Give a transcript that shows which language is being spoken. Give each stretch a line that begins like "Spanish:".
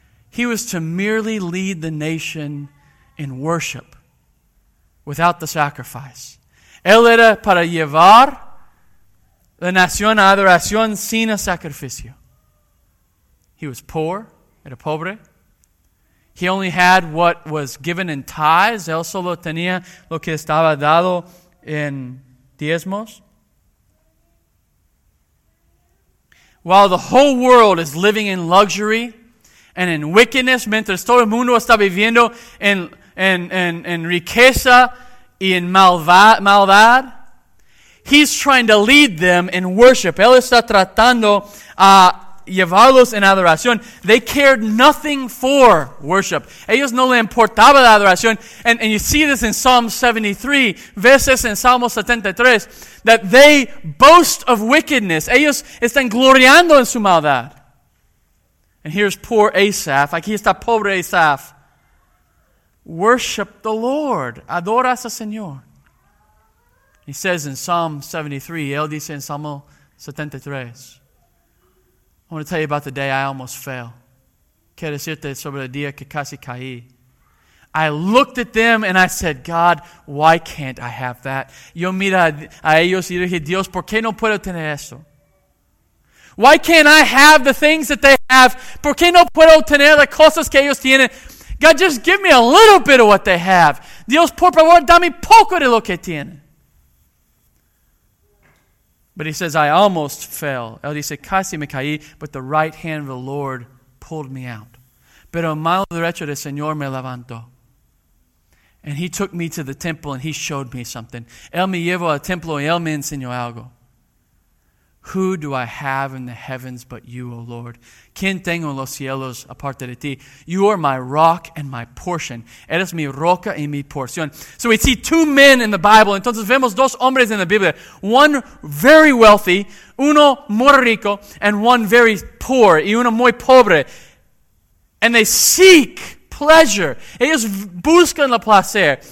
English: He was to merely lead the nation in worship. Without the sacrifice.
Spanish: Él era para llevar la nación a adoración sin sacrificio.
English: He was poor,
Spanish: era pobre.
English: He only had what was given in tithes.
Spanish: Él solo tenía lo que estaba dado en diezmos.
English: While the whole world is living in luxury and in wickedness,
Spanish: mientras todo el mundo está viviendo en riqueza y en maldad,
English: he's trying to lead them in worship.
Spanish: Él está tratando a llevarlos en adoración.
English: They cared nothing for worship.
Spanish: Ellos no le importaba la adoración.
English: And you see this in Psalm 73.
Spanish: Ves esto en Salmo 73.
English: That they boast of wickedness.
Spanish: Ellos están gloriando en su maldad.
English: And here's poor Asaph.
Spanish: Aquí está pobre Asaph.
English: Worship the Lord.
Spanish: Adora al Señor.
English: He says in Psalm 73,
Spanish: él dice en Salmo 73,
English: I want to tell you about the day I almost fell.
Spanish: Quiero decirte sobre el día que casi caí.
English: I looked at them and I said, God, why can't I have that?
Spanish: Yo mira a ellos y dije, Dios, ¿por qué no puedo tener esto?
English: Why can't I have the things that they have?
Spanish: ¿Por qué no puedo tener las cosas que ellos tienen?
English: God, just give me a little bit of what they have.
Spanish: Dios, por favor, dame poco de lo que tienen.
English: But he says, I almost fell.
Spanish: Él dice, casi me caí,
English: but the right hand of the Lord pulled me out.
Spanish: Pero mano derecha del Señor me levantó.
English: And he took me to the temple and he showed me something.
Spanish: Él me llevó al templo y él me enseñó algo.
English: Who do I have in the heavens but you, O Lord?
Spanish: ¿Quién tengo en los cielos aparte de ti?
English: You are my rock and my portion.
Spanish: Eres mi roca y mi porción.
English: So we see two men in the Bible.
Spanish: Entonces vemos dos hombres en la Biblia.
English: One very wealthy,
Spanish: uno muy rico,
English: and one very poor,
Spanish: y uno muy pobre.
English: And they seek pleasure.
Spanish: Ellos buscan la placer.